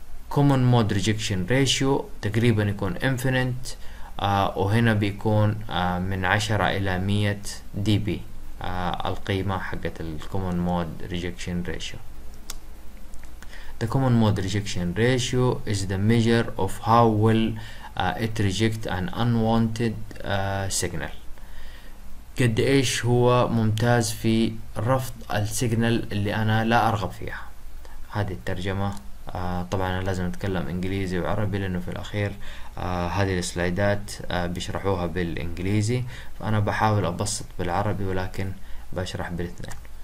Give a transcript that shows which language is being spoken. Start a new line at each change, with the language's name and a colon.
Arabic: كومون مود ريجكشن ريشيو تقريبا يكون انفينيت، وهنا بيكون من 10 الى 100 دي بي القيمه حقت الكومون مود ريجكشن ريشيو.
English: The common mode rejection ratio is the measure of how well it rejects an unwanted signal.
Arabic: قد ايش هو ممتاز في رفض السيجنال اللي انا لا ارغب فيها. هذه الترجمة طبعا انا لازم اتكلم انجليزي وعربي، لانه في الاخير هذه السلايدات بيشرحوها بالانجليزي، فانا بحاول ابسط بالعربي ولكن بشرح بالاثنين.